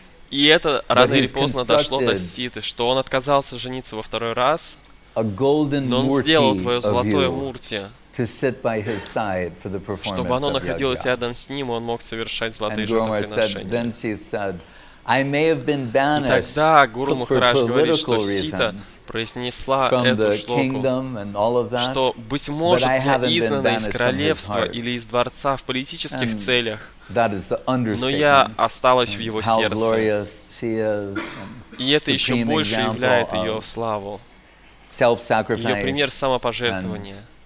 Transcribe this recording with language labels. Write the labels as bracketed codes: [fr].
[ru] И это рано или поздно дошло до Ситы, что он отказался жениться во второй раз, но он сделал твое золотое мурти, чтобы оно находилось рядом с ним, и он мог совершать золотые жертвоприношения. [en] I may have been banished for political reasons from the kingdom and all of that, but I haven't been banished from his heart. And that is the understatement. [ru] Но я осталась в его сердце. [en] How glorious she is! [ru] И это еще больше являет ее славу. [en] Self-sacrifice. [ru] Ее пример самопожертвования.